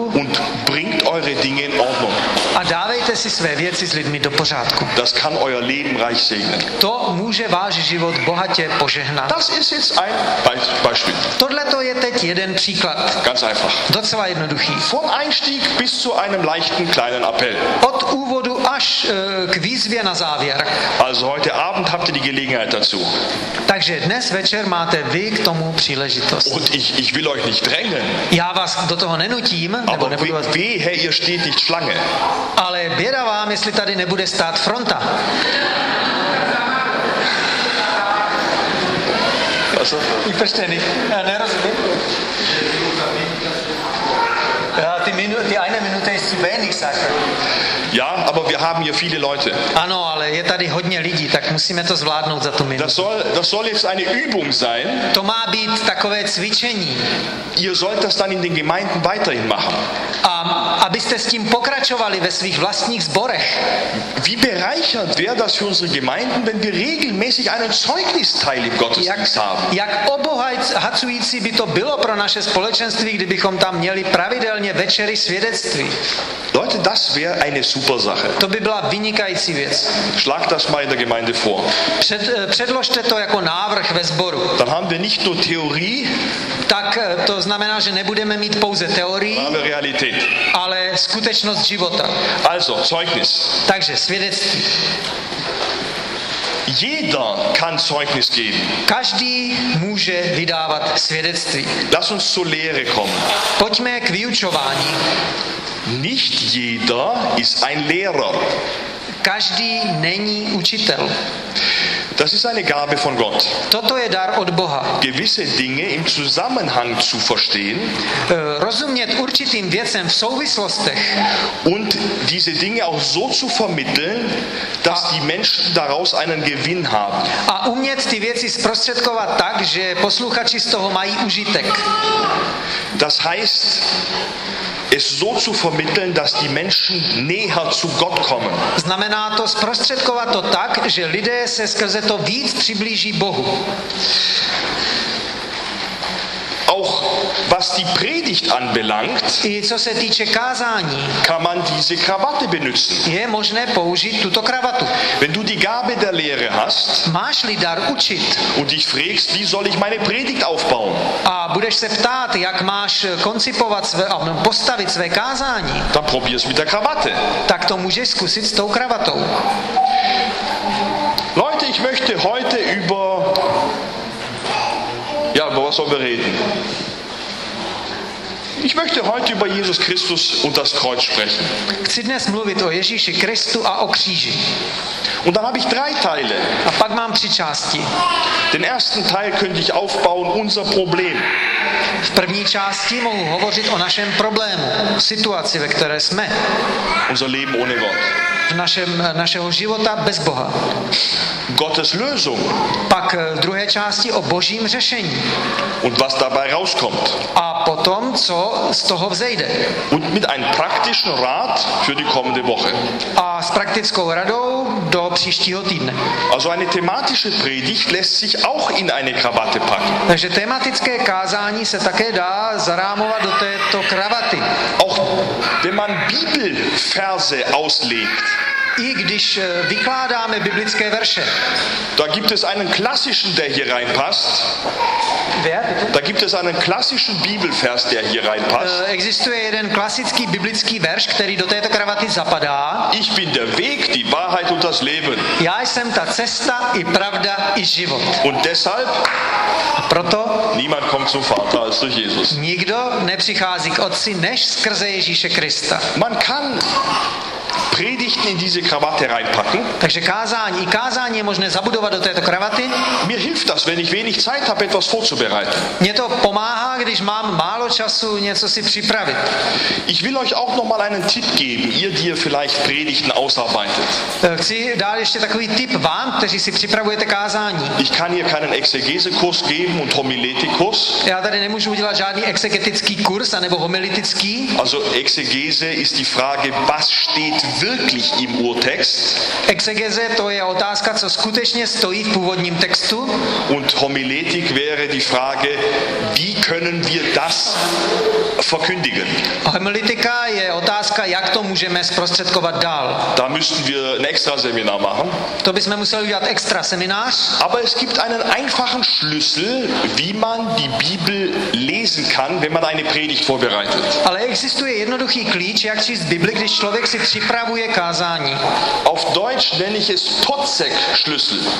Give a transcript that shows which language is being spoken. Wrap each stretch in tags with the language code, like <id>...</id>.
<de>und bringt eure Dinge in Ordnung.</de> <cs>A dávejte si své věci s lidmi do pořádku.</cs> <de>Das kann euer Leben reich segnen.</de> <cs>To může váš život bohatě požehnat.</cs> <de>Das ist jetzt ein Beispiel.</de> <cs>Tohle to je teď jeden příklad.</cs> <de>Ganz einfach.</de> <cs>Docela jednoduchý.</cs> <de>Vom Einstieg bis zu einem leichten kleinen Appell.</de> <cs>Od úvodu až k výzvě na závěr.</cs> <de>Also heute Abend habt ihr die Gelegenheit dazu.</de> <cs>Takže dnes večer máte vy k tomu příležitost.</cs> <de>Und ich will euch nicht drängen.</de> <cs>Já vás do toho nenutím,</cs> <de>aber</de> <cs>nebo nebudu vás...</cs> <de>Wehe, ihr steht nicht Schlange.</de> <cs>Ale běda vám, jestli tady nebude stát fronta.</cs> <de>Also, ich verstehe nicht. Ja,</de> <cs>nerozumím.</cs> <de>Ja, die eine Minute ist zu wenig, sagt er. Ja, aber wir haben hier viele Leute.</de> <cs>Ano, ale je tady hodně lidí, tak musíme to zvládnout za tu minutu.</cs> <de>Das soll jetzt eine Übung sein.</de> <cs>To má být takové cvičení.</cs> <de>Ihr sollt das dann in den Gemeinden weiterhin machen.</de> <cs>A abyste s tím pokračovali ve svých vlastních sborech.</cs> <de>Wie bereichert wäre das für unsere Gemeinden, wenn wir regelmäßig einen Zeugnisteil im Gottesdienst haben?</de> <cs>Jak obohacující by to bylo pro naše společenství, kdybychom tam měli pravidelně večery svědectví.</cs> <de>Leute, das wäre eine super Sache.</de> <cs>To by byla vynikající věc.</cs> <de>Schlag das mal in der Gemeinde vor.</de> <cs>Předložte to jako návrh ve sboru.</cs> <de>Dann haben wir nicht nur Theorie.</de> <cs>Tak to znamená, že nebudeme mít pouze teorii, máme Realität. Ale skutečnost života.</cs> <de>Also, Zeugnis.</de> <cs>Takže svědectví.</cs> <de>Jeder kann Zeugnis geben.</de> <cs>Každý může vydávat svědectví.</cs> <de>Lass uns zur Lehre kommen.</de> <cs>Pojďme k vyučování.</cs> <de>Nicht jeder ist ein Lehrer.</de> <cs>Každý není učitel.</cs> <de>Das ist eine Gabe von Gott.</de> <cs>Toto je dar od Boha.</cs> <de>Gewisse Dinge im Zusammenhang zu verstehen.</de> <cs>Rozumět určitým věcem v souvislostech.</cs> <de>Und diese Dinge auch so zu vermitteln, dass die Menschen daraus einen Gewinn haben.</de> <cs>A umět ty věci zprostředkovat tak, že posluchači z toho mají užitek.</cs> <de>Das heißt, es so zu vermitteln, dass die Menschen näher zu Gott kommen.</de> <cs>Znamená to zprostředkovat to tak, že lidé se skrze to víc přiblíží Bohu.</cs> <de>Auch was was die Predigt anbelangt,</de> <cs>i co se týče kázání,</cs> <de>kann man diese Krawatte benutzen.</de> <cs>Je možné použít tuto kravatu.</cs> <de>Wenn du die Gabe der Lehre hast,</de> <cs>máš-li dar učit,</cs> <de>und dich fragst, wie soll ich meine Predigt aufbauen,</de> <cs>a budeš se ptát, jak máš koncipovat své, postavit své kázání,</cs> <de>dann probier's mit der Krawatte.</de> <cs>Tak to můžeš zkusit s tou kravatou.</cs> <de>Leute, ich möchte heute über was sollen wir reden? Ich möchte heute über Jesus Christus und das Kreuz sprechen.</de> <cs>Chci dnes mluvit o Ježíši Kristu a o kříži.</cs> <de>Und dann habe ich drei Teile.</de> <cs>A pak mám tři části.</cs> <de>Den ersten Teil könnte ich aufbauen, unser Problem.</de> <cs>V první části mohu hovořit o našem problému, situaci, ve které jsme.</cs> <de>Unser Leben ohne Gott.</de> <cs>V našem, našeho života bez Boha.</cs> <de>Gottes Lösung.</de> <cs>Pak druhé části o Božím řešení.</cs> <de>Und was dabei rauskommt.</de> <cs>A potom, co z toho vzejde.</cs> <de>Und mit einem praktischen Rat für die kommende Woche.</de> <cs>A s praktickou radou do příštího týdne.</cs> <de>Also eine thematische Predigt lässt sich auch in eine Krawatte packen.</de> <cs>Takže tematické kázání se také dá zarámovat do této kravaty.</cs> <de>Auch wenn man Bibelverse auslegt.</de> <cs>I když vykládáme biblické verše.</cs> <de>Da gibt es einen klassischen, der hier reinpasst. Wer? Da gibt es einen klassischen Bibelvers, der hier reinpasst.</de> <cs>Existuje jeden klasický biblický verš, který do této kravaty zapadá.</cs> <de>Ich bin der Weg, die Wahrheit und das Leben.</de> <cs>Já jsem ta cesta, i pravda, i život.</cs> <de>Und deshalb?</de> <cs>Proto?</cs> <de>Niemand kommt zum Vater als durch Jesus.</de> <cs>Nikdo nepřichází k Otci než skrze Ježíše Krista.</cs> <de>Man kann Predigten in diese Krawatte reinpacken.</de> <cs>Takže kázání, je možné zabudovat do této kravaty.</cs> <de>Mir hilft das, wenn ich wenig Zeit habe, etwas vorzubereiten.</de> <cs>Mně to pomáhá, když mám málo času něco si připravit.</cs> <de>Ich will euch auch noch mal einen Tipp geben, ihr, die ihr vielleicht Predigten ausarbeitet.</de> <cs>Chci dát ještě takový tip vám, kteří si připravujete kázání.</cs> <de>Ich kann hier keinen Exegesekurs geben und Homiletikus.</de> <cs>Já tady nemůžu udělat žádný exegetický kurz anebo homiletický.</cs> <de>Also Exegese ist die Frage, was steht wirklich im Urtext.</de> <cs>Exegese, to je otázka, co skutečně stojí v původním textu.</cs> <de>Und Homiletik wäre die Frage, wie können wir das verkündigen.</de> <cs>Homiletika je otázka, jak to můžeme zprostředkovat dál.</cs> <de>Da müssten wir ein extra Seminar machen.</de> <cs>To bychom museli udělat extra seminář.</cs> <de>Aber es gibt einen einfachen Schlüssel, wie man die Bibel lesen kann, wenn man eine Predigt vorbereitet.</de> <cs>Ale existuje jednoduchý klíč, jak číst Bibli, když člověk si připravuje.</cs> <de>Auf Deutsch nenne ich es Potzek-Schlüssel.</de>